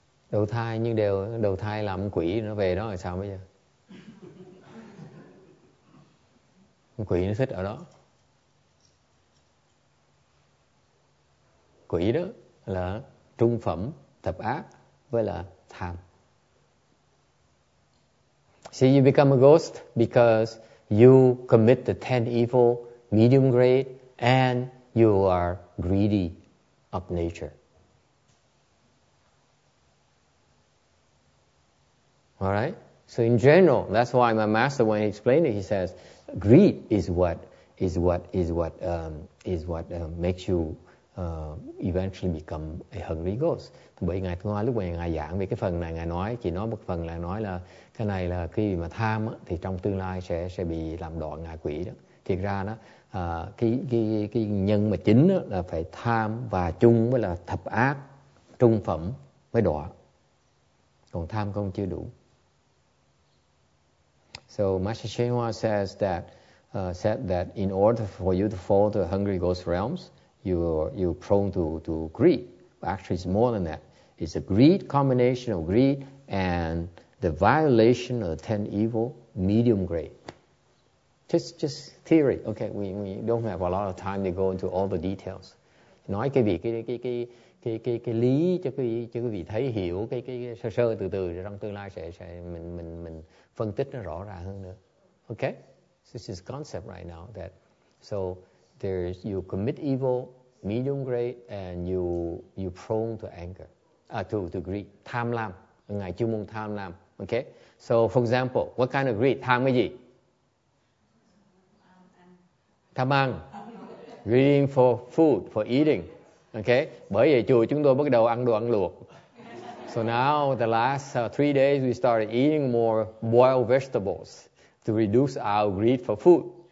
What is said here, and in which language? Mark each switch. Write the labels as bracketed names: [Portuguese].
[Vietnamese] đầu thai, nhưng đều đầu thai làm quỷ nó về đó là sao bây giờ? Quỷ nó thích ở đó. Quỷ đó là trung phẩm thập ác với là tham. [English] See, you become a ghost because you commit the 10 evil medium grade and you are greedy of nature. Alright? So in general, that's why my master, when he explained it, he says, greed makes you eventually become a hungry ghost. [Vietnamese] Bởi ngài thưa lúc mà ngài giảng về cái phần này, ngài nói chỉ nói một phần là nói là cái này là khi mà tham thì trong tương lai sẽ bị làm đọa ngạ quỷ đó. Thiệt ra đó cái nhân mà chính là phải tham và chung với là thập ác trung phẩm mới đọa. Còn tham không chưa đủ. [English] So Master Shenhua says that said that in order for you to fall to hungry ghost realms, you're prone to greed. But actually, it's more than that. It's a greed, combination of greed and the violation of the 10 evil medium grade. Just theory. Okay, we don't have a lot of time to go into all the details. [Vietnamese] Nói cái việc cái lý cho cái vị thấy hiểu cái sơ sơ từ từ trong tương lai sẽ mình phân tích nó rõ ràng hơn nữa. [English] Okay, so this is concept right now that so. There is, you commit evil, medium grade, and you prone to anger, to greed, [Vietnamese] tham lam. Ngài chuyên môn tham lam. Okay. [English] So for example, what kind of greed? [Vietnamese] Tham cái gì? Tham ăn. [English] Greeding for food, for eating. Okay. [Vietnamese] Bởi vậy chùa chúng tôi bắt đầu ăn đồ ăn luộc. [English] So now the last 3 days we started eating more boiled vegetables to reduce our greed for food.